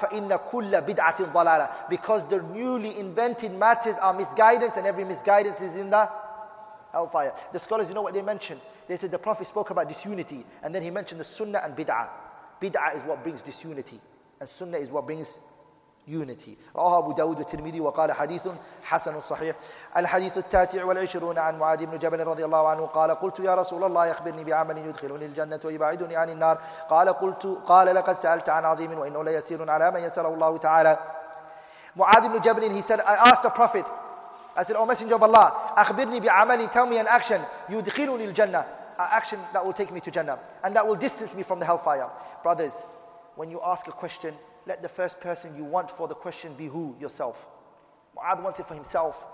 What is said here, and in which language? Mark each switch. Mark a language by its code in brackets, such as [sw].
[en] فَإِنَّ كُلَّ بِدْعَةٍ ضَلَالَةٍ because the newly invented matters are misguidance and every misguidance is in the hellfire. The scholars, you know what they mentioned? They said the Prophet spoke about disunity and then he mentioned the sunnah and bid'ah. Bid'ah is what brings disunity and sunnah is what brings unity. [ar] رواه أبو داود والترمذي وقال حديث حسن صحيح الحديث التاسع والعشرون عن معاذ بن جبل رضي الله عنه قال قلت يا رسول الله يخبرني بعمل يدخلني الجنة ويبعدني عن النار قال لقد سألت عن عظيم وإنه ليسير على من يسره الله تعالى. [en] معاذ بن جبل, he said, I asked the Prophet, I said, O Messenger of Allah, أخبرني بعمل, tell me an action يدخلني الجنة, an action that will take me to Jannah and that will distance me from the hellfire. Brothers, when you ask a question, let the first person you want for the question be who? Yourself. Mu'ad wants it for himself.